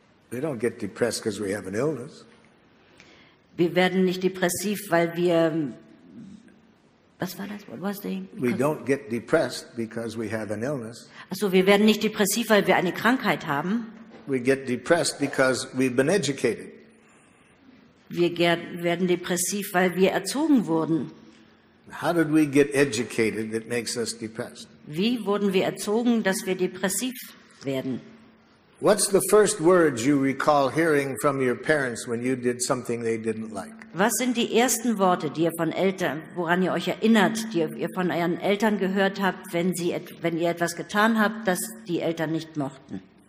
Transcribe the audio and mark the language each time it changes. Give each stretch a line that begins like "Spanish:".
English: We don't get depressed because we have an illness.
German: Wir werden nicht depressiv, weil wir was war das?
English: What was the? We don't get depressed because we have an illness.
German: Also, wir werden nicht depressiv, weil wir eine Krankheit haben.
English: We get depressed because we've been educated.
German: Wir werden depressiv, weil wir erzogen wurden.
English: How did we get educated that makes us depressed?
German: Wie wurden wir erzogen, dass wir depressiv werden?
English: What's the first words you recall hearing from your parents when you did something they didn't like?
German: Was sind die ersten Worte, die ihr von Eltern, woran ihr euch erinnert, die ihr von euren Eltern gehört habt, wenn ihr etwas getan habt, das die Eltern nicht mochten?